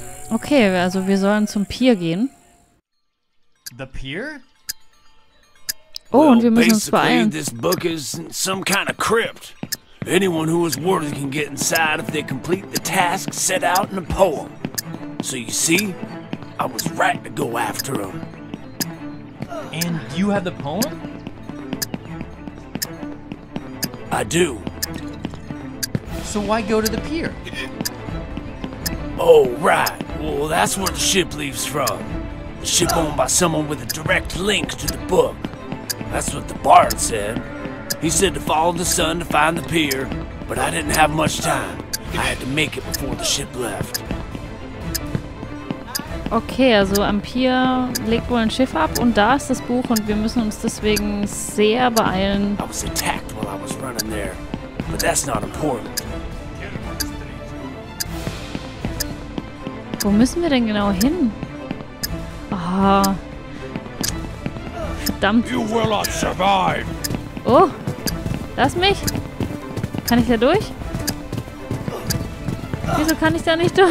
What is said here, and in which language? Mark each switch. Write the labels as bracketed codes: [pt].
[de] Okay, also wir sollen zum Pier gehen. [en] The pier? [de] Oh, und wir müssen uns beeilen. [en] This book is in some kind of crypt. Anyone who is worthy can get inside if they complete the task set out in a poem. So you see, I was right to go after him. And you have the poem? I do. So why go to the pier? Oh, right. Well, that's where the ship leaves from. The ship owned by someone with a direct link to the book. That's what the bard said. He said to follow the sun to find the pier, but I didn't have much time. I had to make it before the ship left. [de] Okay, also am Pier legt wohl ein Schiff ab und da ist das Buch und wir müssen uns deswegen sehr beeilen. [en] I was attacked while I was running there, but that's not important. [de] Wo müssen wir denn genau hin? Ah. Verdammt. [en] You will not survive. [de] Oh, lass mich. Kann ich da durch? Wieso kann ich da nicht durch?